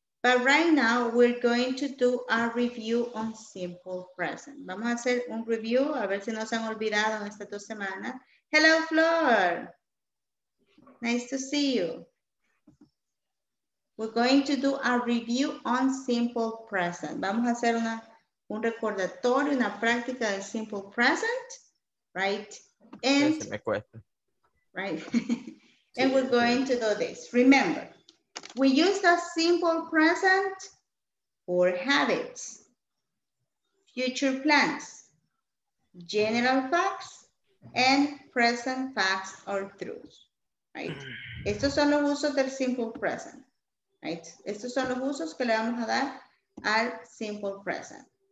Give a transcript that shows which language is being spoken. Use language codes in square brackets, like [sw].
[en] But right now, we're going to do a review on simple present. [es] Vamos a hacer un review, a ver si nos han olvidado en estas 2 semanas. [en] Hello, Flor. Nice to see you. We're going to do a review on simple present. [es] Vamos a hacer un recordatorio, una práctica de simple present, right? [en] And, [es] sí, se me cuesta. [en] Right? And we're going to do this. Remember, we use the simple present for habits, future plans, general facts, and present facts or truths, right? [es] Estos son los usos del simple present. Right. Estos son los usos que le vamos a dar al simple present.